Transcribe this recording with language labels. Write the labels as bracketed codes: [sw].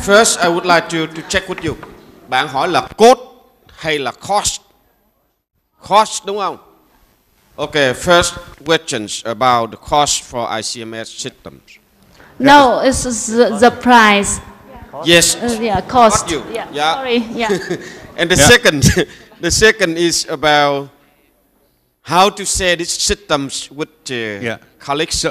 [en] First, I would like to check with you. [vi] Bạn hỏi là cost hay là cost? Cost, đúng không? [en] Okay, first questions about the cost for ICMS systems. No, it's the price. Yes. Yeah, cost. Got you. Yeah. Yeah. Sorry. Yeah. And the second, the second is about how to share these systems with colleagues.